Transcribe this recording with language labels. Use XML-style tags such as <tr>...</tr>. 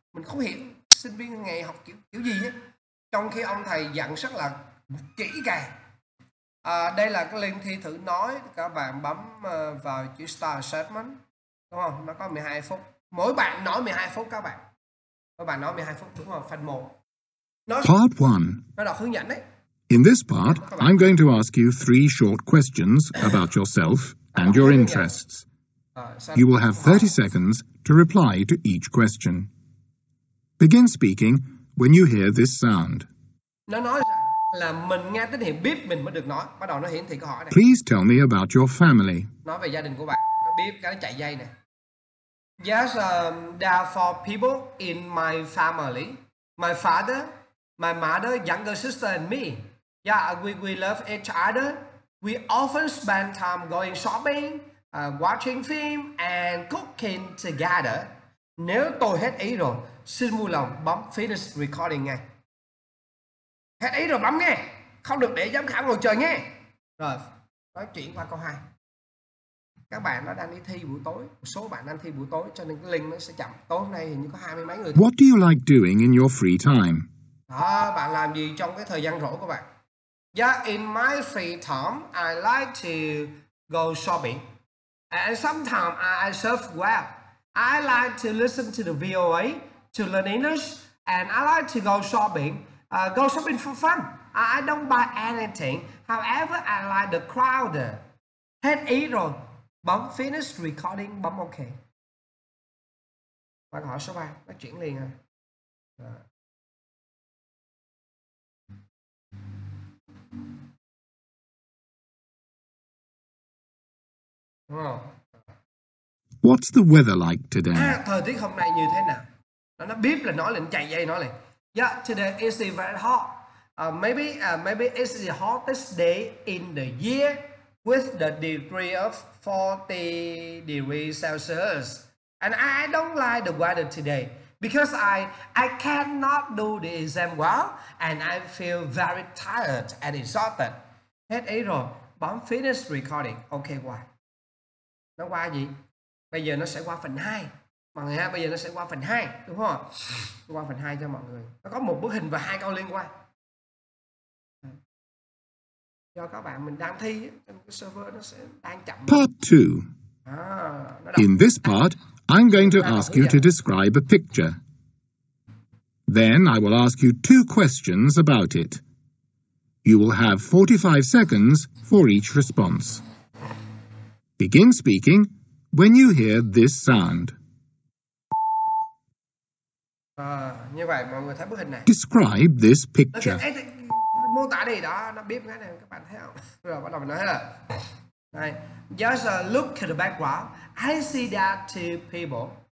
<vi>Mình không hiểu sinh viên ngày học kiểu gì hết. Trong khi ông thầy dặn rất là kỹ càng. À, đây là cái link thi thử nói. Các bạn bấm vào chữ Start Assessment. Đúng không? Nó có 12 phút. Mỗi bạn nói 12 phút các bạn. Mỗi bạn nói 12 phút đúng không? Phần 1.</vi> <en>Part 1.</en> <vi>Nó đọc hướng dẫn đấy.</vi> <en>In this part, I'm going to ask you 3 short questions about yourself and your interests. You will have 30 seconds to reply to each question. Begin speaking when you hear this sound.</en> <vi>Nó nói là mình nghe tín hiệu beep mình mới được nói. Bắt đầu nó hiển thị câu hỏi này.</vi> <en>Please tell me about your family.</en> <vi>Nói về gia đình của bạn. Nó beep cái nó chạy dây nè.</vi> <en>Yes, there are 4 people in my family. My father, my mother, younger sister and me. Yeah, we love each other. We often spend time going shopping, watching film and cooking together.</en> <vi>Nếu tôi hết ý rồi, xin vui lòng bấm</vi> <en>finish recording</en> <vi>nghe. Hết ý rồi bấm nghe. Không được để giám khảo ngồi chờ nghe. Rồi, nói chuyện qua câu 2. Các bạn nó đang đi thi buổi tối. Một số bạn đang thi buổi tối cho nên cái link nó sẽ chậm. Tối hôm nay hình như có 20 mấy người.</vi> <en>What do you like doing in your free time?</en> <vi>À, bạn làm gì trong cái thời gian rỗi của bạn?</vi> <en>Yeah, in my free time, I like to go shopping. And sometimes I surf web. I like to listen to the VOA to learn English, and I like to go shopping. Go shopping for fun. I don't buy anything. However, I like the crowd.</en> <vi>Hết ý rồi. Bấm</vi> <en>finish recording.</en> <vi>Bấm OK. Bạn hỏi số 3. Nó chuyển liền rồi.</vi> <en>What's the weather like today?</en> <vi>À, thời tiết hôm nay như thế nào? Nó beep là nói lên chạy dây nói lên.</vi> <en>Yeah, today is very hot. Maybe it's the hottest day in the year with the degree of 40 degrees Celsius. And I don't like the weather today because I cannot do the exam well and I feel very tired and exhausted.</en> <vi>Hết ý rồi. Bấm</vi> <en>finish recording. OK, why?</en> <vi>Nó qua gì? Bây giờ nó sẽ qua phần 2. Mọi người ha, bây giờ nó sẽ qua phần 2, đúng không? Qua phần 2 cho mọi người. Nó có một bức hình và hai câu liên quan. Do các bạn mình đang thi trên cái server nó sẽ đang chậm.</vi> <en>Part 2. In this part, I'm going to ask you to describe a picture. Then I will ask you 2 questions about it. You will have 45 seconds for each response. Begin speaking when you hear this sound.</en> <vi>À, như vậy mọi người thấy bức hình này.</vi> <en>Describe this picture.</en> <vi>Mô tả đi đó, nó biết cái này các bạn thấy không? Rồi bắt đầu mình nói là.</vi> <en>Này, just look at the background. I see that two people.</en>